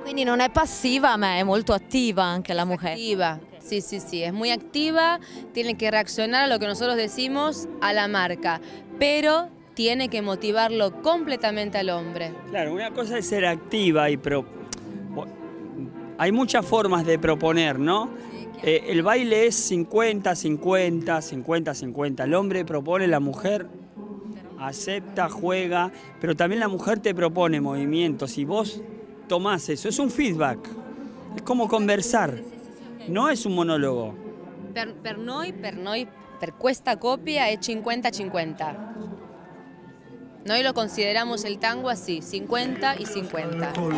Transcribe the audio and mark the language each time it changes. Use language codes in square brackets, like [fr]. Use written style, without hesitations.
[it] Quindi non è passiva, ma è molto attiva anche [es] la mujer. Activa. Sí, es muy activa, tiene que reaccionar a lo que nosotros decimos, a la marca, pero tiene que motivarlo completamente al hombre. Claro, una cosa es ser activa y hay muchas formas de proponer, ¿no? El baile es 50-50. El hombre propone, la mujer acepta, juega, pero también la mujer te propone movimientos y vos tomás eso, es un feedback, es como conversar, no es un monólogo. [it] Per noi, per questa copia [es] es 50-50. [it] Noi [es] lo consideramos el tango así, 50 y 50.